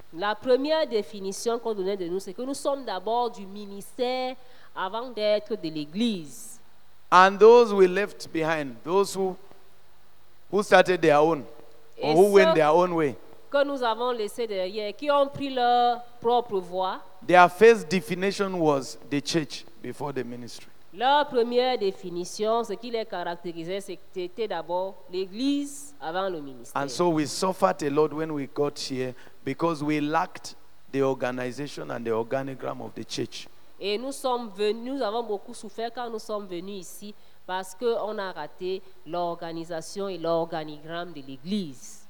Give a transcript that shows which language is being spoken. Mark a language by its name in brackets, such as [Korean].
[French] La première définition qu'on donnait de nous, c'est que nous sommes d'abord du ministère avant d'être de l'église. [English] And those we left behind, those who started their own, or who went their own way. [French] Que nous avons laissé derrière, qui ont pris leur propre voie. [English] Their first definition was the church before the ministry. [French] Leur première définition, ce qui les caractérisait, c'était d'abord l'église avant le ministère. [English] And so we suffered a lot when we got here because we lacked the organization and the organigram of the church. [French] Et nous avons beaucoup souffert quand nous sommes venus ici parce qu'on a raté l'organisation et l'organigramme de l'église.